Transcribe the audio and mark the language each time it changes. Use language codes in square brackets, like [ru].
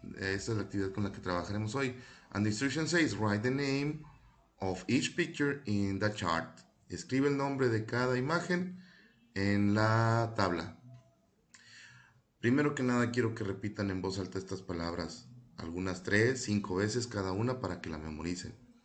[es] Esa es la actividad con la que trabajaremos hoy. [en] And the instruction says, write the name of each picture in the chart. [es] Escribe el nombre de cada imagen en la tabla. Primero que nada, quiero que repitan en voz alta estas palabras, algunas tres, cinco veces cada una para que la memoricen.